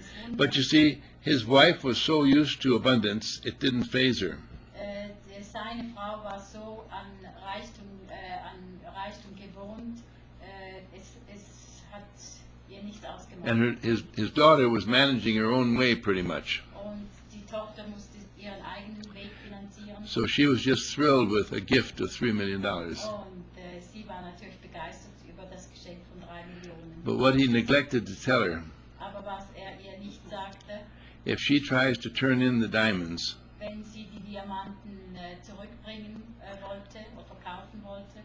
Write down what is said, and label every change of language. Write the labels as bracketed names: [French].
[English] But you see, his wife was so used to abundance, it didn't faze her. [German] Seine Frau war so an Reichtum, gewohnt, es hat ihr nichts ausgemacht. [English] And his daughter was managing her own way pretty much. [German] Und die Tochter musste ihren eigenen Weg finanzieren. [English] So she was just thrilled with a gift of $3 million. [German] Und sie war natürlich begeistert über das Geschenk von 3 Millionen. [English] But what he neglected to tell her, [German] aber was ihr nicht sagte, [English] if she tries to turn in the diamonds, [German] wenn sie die Diamanten zurückbringen wollte oder verkaufen wollte,